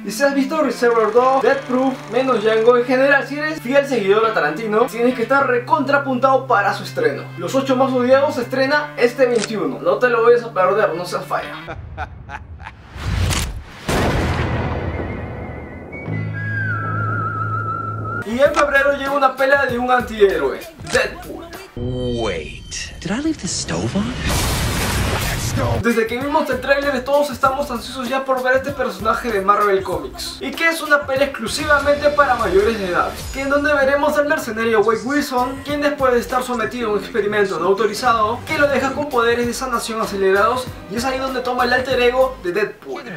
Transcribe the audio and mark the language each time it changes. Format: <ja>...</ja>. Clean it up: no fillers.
<es>Y si has visto Reservoir Dogs, Death Proof, menos Django, en general, si eres fiel seguidor a Tarantino, tienes que estar recontrapuntado para su estreno. Los 8 más odiados se estrena este 21. No te lo vayas a perder. No se falla. Y en febrero llega una pelea de un antihéroe, Deadpool.</es> <en>Wait, did I leave the stove on?</en> <es>Desde que vimos el tráiler, todos estamos ansiosos ya por ver este personaje de Marvel Comics, y que es una peli exclusivamente para mayores de edad, que en donde veremos al mercenario Wade Wilson, quien después de estar sometido a un experimento no autorizado, que lo deja con poderes de sanación acelerados, y es ahí donde toma el alter ego de Deadpool.</es>